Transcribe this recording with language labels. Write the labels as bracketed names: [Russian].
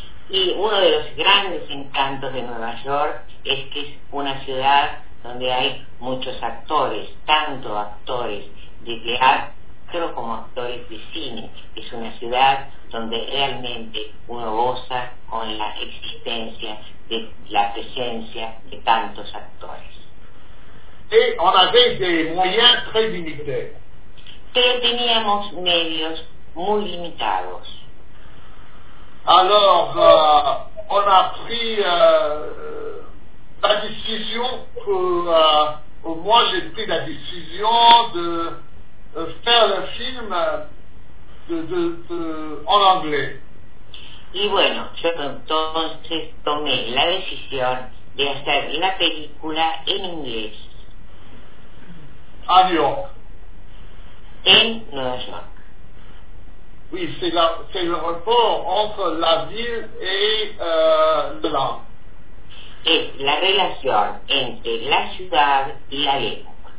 [Spanish] Et uno de los grandes encantos de Nueva York es que es una ciudad donde hay muchos actores, tanto actores de teatro como actores de cine. Es una ciudad donde realmente uno goza con la existencia de la presencia de tantos actores. [French] Et on avait des moyens très limités. [Spanish] Pero teníamos medios muy limitados. [French] Alors, on a pris la décision pour, moi j'ai pris la décision de faire le film en anglais. [Spanish] Y bueno, yo entonces tomé la decisión de hacer la película en inglés. [French] A New York. [Spanish] En Nueva York. [French] Oui, c'est le rapport entre la ville et la langue. [Spanish] Es la relación entre la ciudad y la lengua.